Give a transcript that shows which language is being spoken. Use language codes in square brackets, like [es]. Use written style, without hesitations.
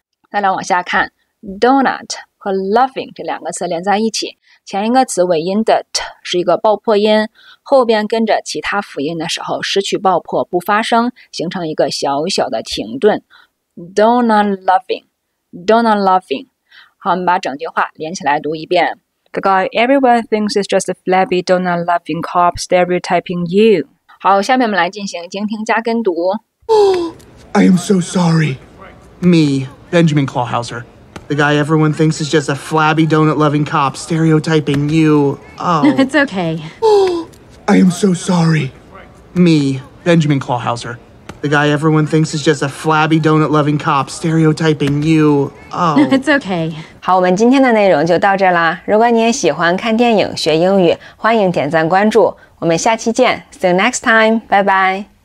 [zh] 再来往下看 ，donut 和 loving 这两个词连在一起，前一个词尾音的 t 是一个爆破音，后边跟着其他辅音的时候失去爆破不发声，形成一个小小的停顿 ， [en] donut loving，donut loving。 [zh] 好，我们把整句话连起来读一遍 [en] ：The guy everyone thinks is just a flabby donut loving cop stereotyping you。 [zh] 好，下面我们来进行精听加跟读。 [en] I am so sorry, me. Benjamin Clawhauser. The guy everyone thinks is just a flabby donut-loving cop stereotyping you. Oh. It's okay. I am so sorry. Me, Benjamin Clawhauser. The guy everyone thinks is just a flabby donut-loving cop stereotyping you. Oh. It's okay. [zh] 好，我们今天的内容就到这啦。如果你也喜欢看电影学英语，欢迎点赞关注。我们下期见。 [en] See you next time. Bye bye.